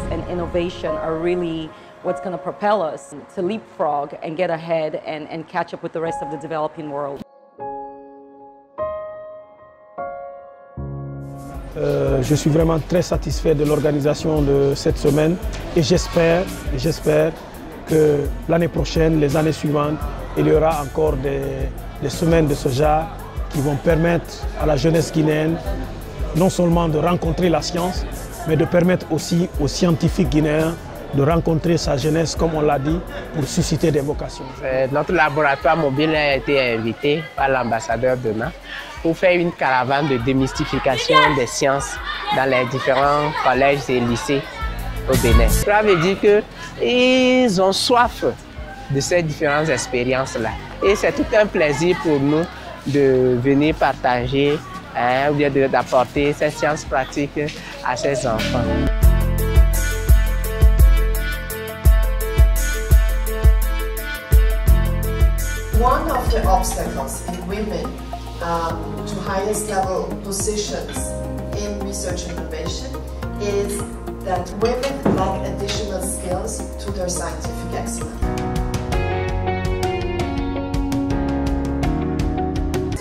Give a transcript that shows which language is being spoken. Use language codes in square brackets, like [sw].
[en] Innovation are really what's going to propel us to leapfrog and get ahead and catch up with the rest of the developing world. [fr] Je suis vraiment très satisfait de l'organisation de cette semaine, et j'espère que l'année prochaine, les années suivantes, il y aura encore des semaines de ce genre qui vont permettre à la jeunesse guinéenne non seulement de rencontrer la science, mais de permettre aussi aux scientifiques guinéens de rencontrer sa jeunesse, comme on l'a dit, pour susciter des vocations. Notre laboratoire mobile a été invité par l'ambassadeur Benin pour faire une caravane de démystification des sciences dans les différents collèges et lycées au Bénin. Cela veut dire qu'ils ont soif de ces différentes expériences-là. Et c'est tout un plaisir pour nous de venir partager ou bien d'apporter ces sciences pratiques à ces enfants. [en] One of the obstacles in women to highest level positions in research innovation is that women lack additional skills to their scientific excellence.